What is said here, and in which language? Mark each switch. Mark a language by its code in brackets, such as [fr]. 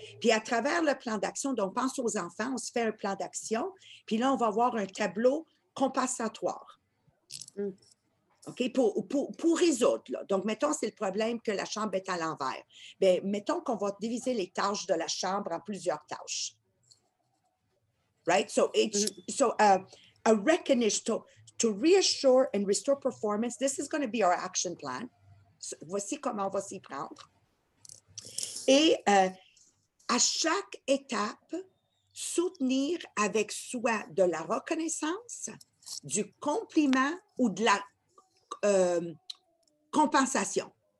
[fr] Puis à travers le plan d'action, donc pense aux enfants, on se fait un plan d'action, puis là, on va avoir un tableau compensatoire. Mm. OK, pour résoudre, là. Donc, mettons, c'est le problème que la chambre est à l'envers. Bien, mettons qu'on va diviser les tâches de la chambre en plusieurs tâches. [en] Right? So a recognition to reassure and restore performance, this is going to be our action plan. [fr] So, voici comment on va s'y prendre. Et à chaque étape, soutenir avec soi de la reconnaissance, du compliment ou de la compensation.